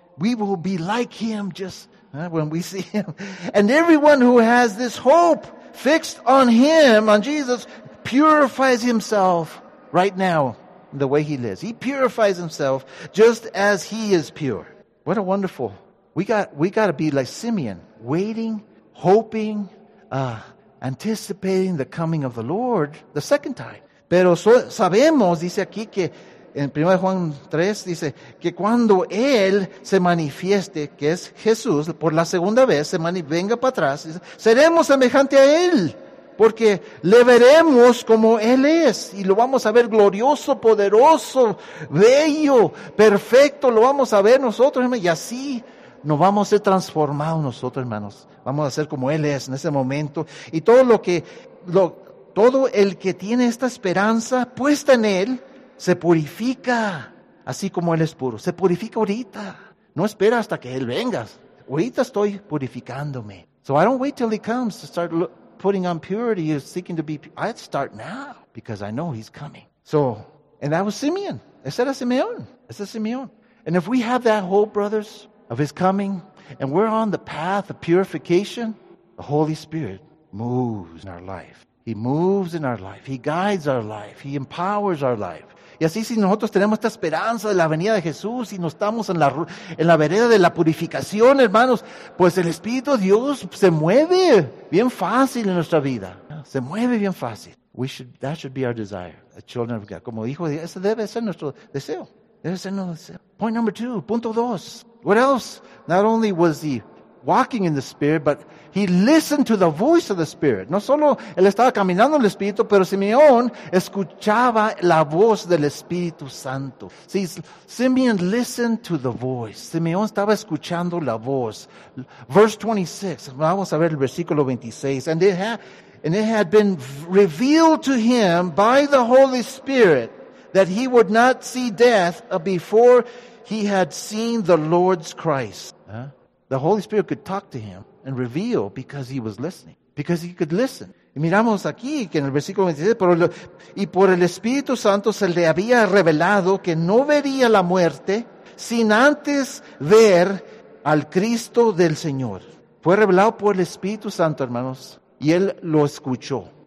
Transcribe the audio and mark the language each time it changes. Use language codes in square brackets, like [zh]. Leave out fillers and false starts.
[en] We will be like him just when we see him. And everyone who has this hope fixed on him, on Jesus, purifies himself right now in the way he lives. He purifies himself just as he is pure. What a wonderful. We got to be like Simeon, waiting, hoping, anticipating the coming of the Lord the second time. [es] Pero sabemos, dice aquí, que en 1 Juan 3 dice que cuando Él se manifieste, que es Jesús, por la segunda vez, venga para atrás, dice, seremos semejante a Él, porque le veremos como Él es, y lo vamos a ver glorioso, poderoso, bello, perfecto, lo vamos a ver nosotros, y así nos vamos a ser transformados nosotros, hermanos. Vamos a ser como Él es en ese momento. Y todo lo que, todo el que tiene esta esperanza puesta en Él, se purifica, así como Él es puro. Se purifica ahorita. No espera hasta que Él venga. Ahorita estoy purificándome. [en] So I don't wait till He comes to start putting on purity, seeking to be pure. I start now, because I know He's coming. So, and that was Simeon. [es] Ese era Simeón. Ese es Simeón. [en] And if we have that hope, brothers, of His coming, and we're on the path of purification, the Holy Spirit moves in our life. He moves in our life. He guides our life. He empowers our life. [es] Y así, si nosotros tenemos esta esperanza de la venida de Jesús y nos estamos en la vereda de la purificación, hermanos, pues el Espíritu de Dios se mueve bien fácil en nuestra vida. Se mueve bien fácil. [en] That should be our desire, the children of God. [es] Como dijo, ese debe ser nuestro deseo. Debe ser nuestro deseo. [en] Point number two, [es] punto dos. [en] What else? Not only was he walking in the Spirit, but he listened to the voice of the Spirit. [es] No solo él estaba caminando en el Espíritu, pero Simeón escuchaba la voz del Espíritu Santo. [en] See, Simeon listened to the voice. [es] Simeón estaba escuchando la voz. [en] Verse 26, [es] vamos a ver el versículo 26. [en] And it had been revealed to him by the Holy Spirit that he would not see death before he had seen the Lord's Christ. The Holy Spirit could talk to him and reveal because he was listening. Because he could listen. [es] Y miramos aquí que en el versículo 26, por el Espíritu Santo se le había revelado que no vería la muerte sin antes ver al Cristo del Señor. Fue revelado por el Espíritu Santo, hermanos, y él lo escuchó.